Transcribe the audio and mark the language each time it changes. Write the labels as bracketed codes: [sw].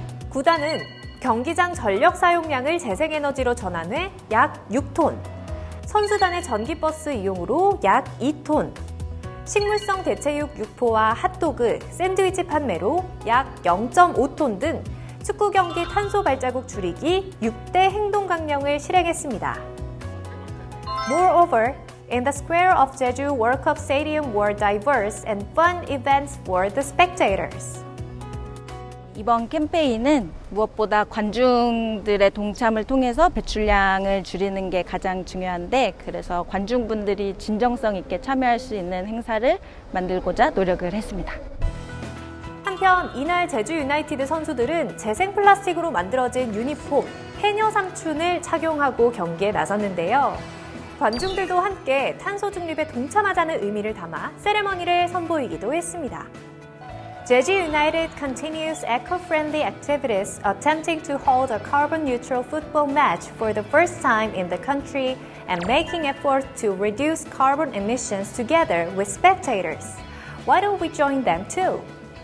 [ko] 구단은 경기장 전력 사용량을 재생에너지로 전환해 약 6톤, 선수단의 전기버스 이용으로 약 2톤, 식물성 대체육 6포와 핫도그, 샌드위치 판매로 약 0.5톤 등 축구 경기 탄소 발자국 줄이기 6대 행동 강령을 실행했습니다. [en] Moreover, in the square of Jeju World Cup Stadium were diverse and fun events for the spectators. [ko] 이번 캠페인은 무엇보다 관중들의 동참을 통해서 배출량을 줄이는 게 가장 중요한데 그래서 관중분들이 진정성 있게 참여할 수 있는 행사를 만들고자 노력을 했습니다. 한편 이날 제주 유나이티드 선수들은 재생 플라스틱으로 만들어진 유니폼 해녀 삼촌을 착용하고 경기에 나섰는데요. 관중들도 함께 탄소 중립에 동참하자는 의미를 담아 세레머니를 선보이기도 했습니다. [en] Jeju United continues eco-friendly activities attempting to hold a carbon-neutral football match for the first time in the country and making efforts to reduce carbon emissions together with spectators. Why don't we join them too?